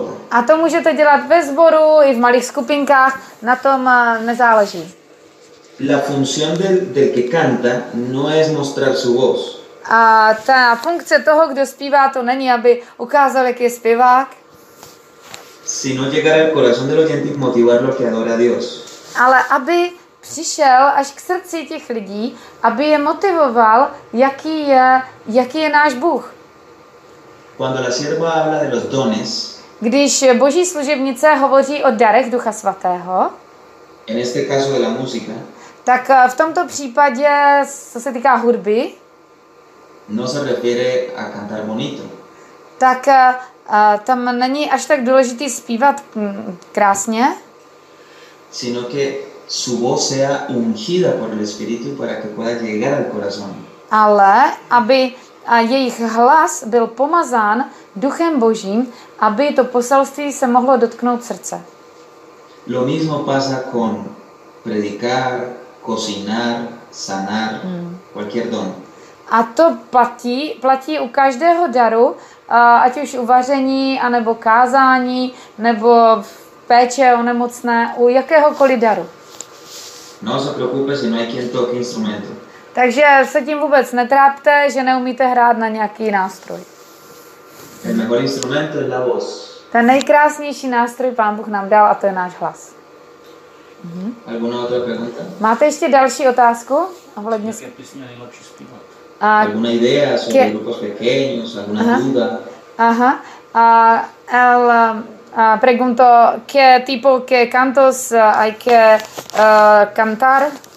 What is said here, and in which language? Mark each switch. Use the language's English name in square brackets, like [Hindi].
[Czech] A to můžete dělat ve sboru i v malých skupinkách, na tom nezáleží. [Spanish] La función del que canta no es mostrar su voz. [Czech] A ta funkce toho, kdo zpívá, to není, aby ukázal, jaký je zpěvák. [Spanish] Sino llegar al corazón del oyente y motivarlo que adore a Dios. [Czech] Ale aby přišel až k srdci těch lidí, aby je motivoval, jaký je náš Bůh. [Spanish] Cuando la sierva habla de los dones. [Czech] Když boží služebnice hovoří o darech Ducha Svatého. [Spanish] En este caso de la música. [Czech] Tak v tomto případě, co se týká hudby, [Spanish] no se refiere a cantar bonito. [Czech] Tak tam není až tak důležitý zpívat krásně, [Spanish] sino que su voz sea ungida por el espíritu para que pueda llegar al corazón. [Czech] Ale aby jejich hlas byl pomazán Duchem Božím, aby to poselství se mohlo dotknout srdce. [Spanish] Lo mismo pasa con predicar, cocinar, sanar, cualquier don. [Czech] A to platí u každého daru, ať už uvaření, anebo kázání, nebo péče o nemocné, u jakéhokoliv daru. [Spanish] No se preocupe, si no hay quien toque instrumento. [Czech] Takže se tím vůbec netrápte, že neumíte hrát na nějaký nástroj. [Spanish] El mejor instrumento es la voz. [Czech] Ten nejkrásnější nástroj Pán Bůh nám dal a to je náš hlas. [Spanish] Alguna otra pregunta? [Czech] Máte ještě další otázku? Ohledně... Jaké písně nejlepší zpívat? [Spanish] Alguna idea sobre grupos pequeños, alguna duda? Ajá. Pregunto qué tipo de cantos hay que cantar.